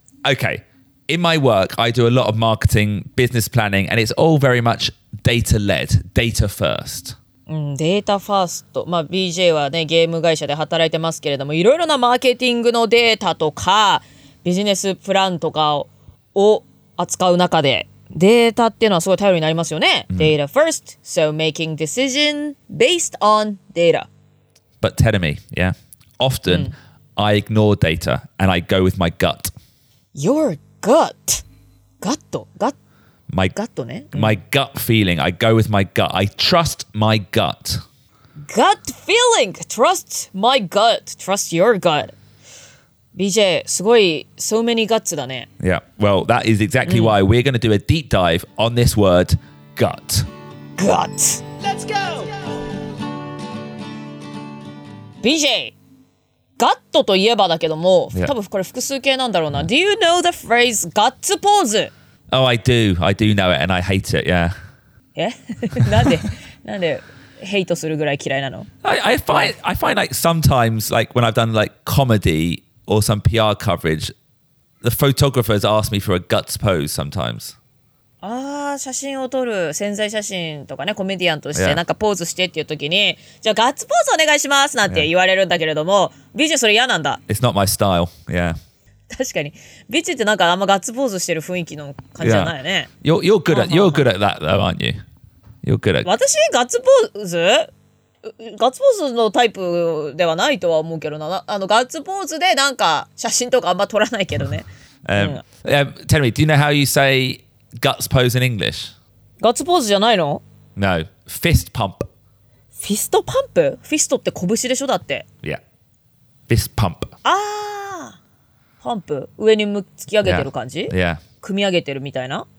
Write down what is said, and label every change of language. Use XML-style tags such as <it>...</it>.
<en>okay, in my work, I do a lot of marketing, business planning, and it's all very much data-led, data first. Data first.</en> <ja>まあ BJ はねゲーム会社で働いてますけれども、いろいろなマーケティングのデータとかビジネスプランとかを扱う中で、データっていうのはすごい頼りになりますよね。</ja> <en>Data first, so making decision based on data. But tell me, yeah, often. I ignore data and I go with my gut. Your gut? Gut? My gut, ね、うん、My gut feeling. I go with my gut. I trust my gut. Gut feeling. Trust my gut. Trust your gut. BJ,</en> <ja>すごい、</ja> <en>so many guts</en> <ja>だね。</ja> <en>Yeah, well, that is exactly、うん、why we're going to do a deep dive on this word, gut. Gut. Let's go! BJ!</en> <ja>Gut といえばだけども、yeah. 多分これ複数形なんだろうな。</ja> <en>Do you know the phrase guts pose? Oh, I do. I do know it and I hate it, yeah.</en> <ja>え なんでヘイトするぐらい嫌いなの？</ja> <en>I find like sometimes like when I've done like comedy or some PR coverage, the photographers ask me for a guts pose sometimes.</en> <ja>ああ、写真を撮る宣材写真とかね、コメディアンとしてなんかポーズしてっていう時に、じゃあガッツポーズお願いしますなんて言われるんだけれども、ビジそれ嫌なんだ。</ja> <en>It's not my style, yeah.</en> <ja>確かに。ビジってなんかあんまガッツポーズしてる雰囲気の感じじゃないよね。</ja> <en>Yeah. You're good at that, aren't you? You're good at</en> <ja>私ガッツポーズガッツポーズのタイプではないとは思うけどな。あのガッツポーズでなんか写真とかあんま撮らないけどね。</ja> <en>Tell me, do you know how you say... Guts pose in English.</en> <ja>Guts pose じゃないの？</ja> <en>No. Fist pump. Fist pump?</en> <ja>Fist って拳でしょだって。</ja> <en>Yeah. Fist pump.</en> <ja>ああ。パンプ。上に突き上げてる感じ？</ja> <en>Yeah. Yeah.</en> <ja>組み上げてるみたいな？</ja>